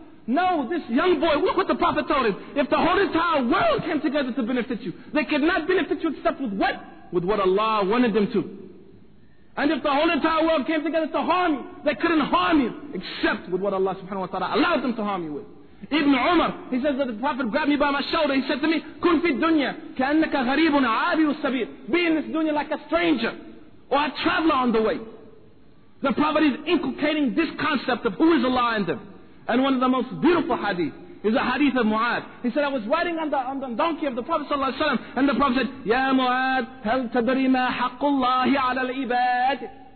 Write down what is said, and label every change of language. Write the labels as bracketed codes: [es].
[en] No, this young boy, look what the Prophet told him. If the whole entire world came together to benefit you, they could not benefit you except with what? With what Allah wanted them to. And if the whole entire world came together to harm you, they couldn't harm you except with what Allah subhanahu wa ta'ala allowed them to harm you with. Ibn Umar, he says that the Prophet grabbed me by my shoulder. He said to me, [ar] كُن فِي الدُّنْيَا كَأَنَّكَ غَرِيبٌ عَابِيُ السَّبِيلِ. [en] Be in this dunya like a stranger or a traveler on the way. The Prophet is inculcating this concept of who is Allah in them. And one of the most beautiful hadith is the hadith of Mu'adh. He said, I was riding on the donkey of the Prophet sallallahu alaihi wasallam, and the Prophet said, [ar] يَا مُعَادْ هَلْ تَدْرِي مَا حَقُّ اللَّهِ عَلَى الْعِبَادِ.